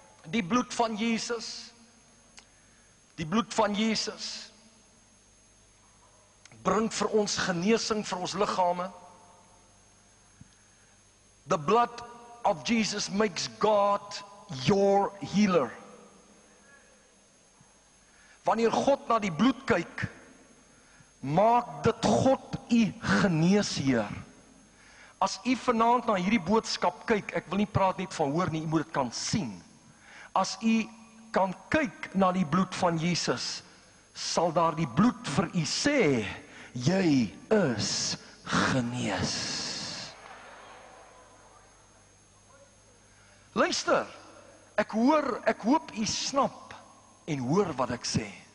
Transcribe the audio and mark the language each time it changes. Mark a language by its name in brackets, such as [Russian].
[Afrikaans] Die bloed van Jesus, die bloed van Jesus, bring vir ons genesing vir ons liggame. [English] The blood of Jesus makes God your healer. [Afrikaans] Wanneer God na die bloed kyk, maak dit God u geneesheer. As u vanavond na hierdie boodskap kyk, ek wil nie praat net van hoor nie, u moet het kan sien. As u kan kyk na die bloed van Jesus, sal daar die bloed vir u sê, jy is genees. Luister, ek hoor, ek hoop u snap en hoor wat ek sê.